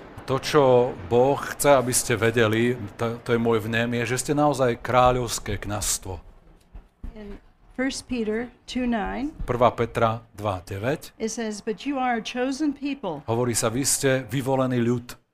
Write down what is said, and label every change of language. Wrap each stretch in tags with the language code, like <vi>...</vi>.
<sk>To, čo Boh chce, aby ste vedeli, to je môj vnem, je, že ste naozaj kráľovské kňazstvo.</sk> <en>In 1 Peter 2:9.</en> <sk>1. Petra 2:9.</sk> <en>It says, but you are a chosen people.</en> <sk>Hovorí sa, vy ste vyvolený ľud.</sk>